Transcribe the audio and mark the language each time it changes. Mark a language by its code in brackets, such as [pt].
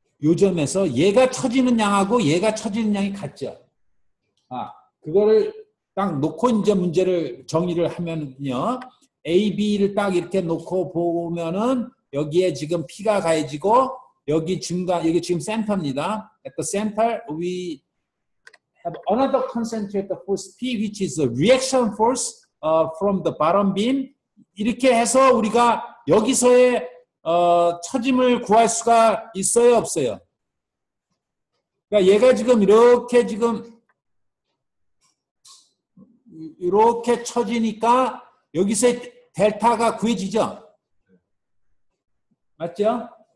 [ko] 요 점에서 얘가 처지는 양하고 얘가 처지는 양이 같죠. 아, 그거를 딱 놓고 이제 문제를 정리를 하면요. A, B를 딱 이렇게 놓고 보면은 여기에 지금 P가 가해지고 여기 중간 여기 지금 센터입니다. [en] At the center, we have another concentrated force P, which is a reaction force from the bottom beam. [ko] 이렇게 해서 우리가 여기서의 처짐을 구할 수가 있어요, 없어요? 그러니까 얘가 지금 이렇게 지금 이렇게 처지니까 여기서의 델타가 구해지죠. 맞죠?